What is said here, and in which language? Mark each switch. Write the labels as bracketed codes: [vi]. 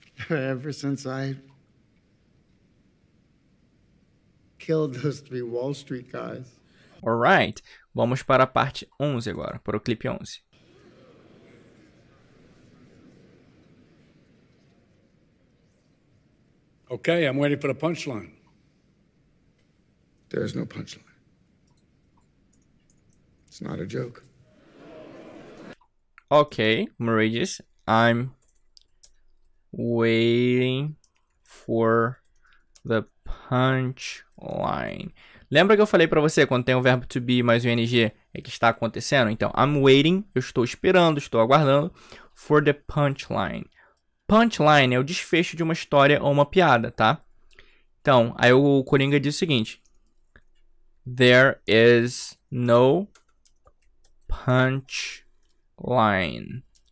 [en] Ever since I killed those three Wall Street guys. All right. [pt] Vamos para a parte 11 agora, para o clipe 11. [en] Okay, I'm waiting for the punchline. There's no punchline. It's not a joke. [pt] Ok, Murray diz, [en] I'm waiting for the punchline. [pt] Lembra que eu falei pra você, quando tem o verbo to be mais o ing, é que está acontecendo? Então, [en] I'm waiting, [pt] eu estou esperando, estou aguardando, for the punchline. Punchline é o desfecho de uma história ou uma piada, tá? Então, aí o Coringa diz o seguinte, [en] there is no punchline. [pt] Line.